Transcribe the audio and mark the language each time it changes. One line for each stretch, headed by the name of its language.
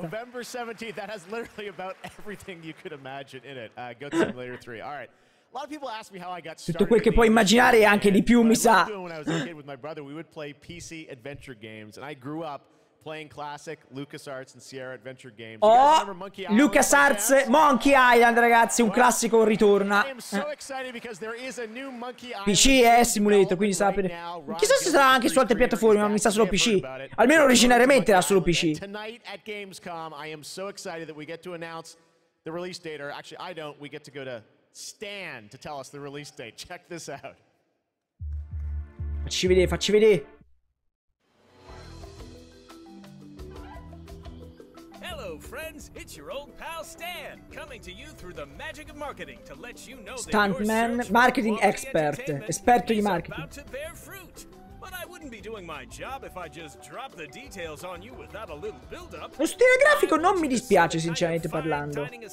English: November 17th, that has literally about everything you could imagine in it. Ghost Simulator 3. All right. A lot of people ask me how I got started.
Italian: Tutto quel che puoi immaginare e anche di più, mi sa.
English: When I was a kid with my brother, we would play PC adventure games and I grew up playing classic LucasArts and Sierra adventure games.
Italian: Oh, LucasArts Monkey Island, ragazzi, un classico ritorna. PC è simulator, quindi sta per... Chissà se sarà anche su altre piattaforme, ma mi sa solo PC. Almeno originariamente era solo PC.
English: Tonight at Gamescom, I am so excited that we get to announce the release date. Or actually, I don't. We get to go to Stan to tell us the release date. Check this out.
Italian: Facci vedere.
English: Friends, it's your old pal Stan coming to you through the magic of marketing to let you know Stuntman, that marketing expert,
Italian: esperto di marketing.
English: About to bear fruit. But I wouldn't be doing my job if I just dropped the details on you without a little build up.
Italian: Lo stile grafico non mi dispiace, sinceramente parlando.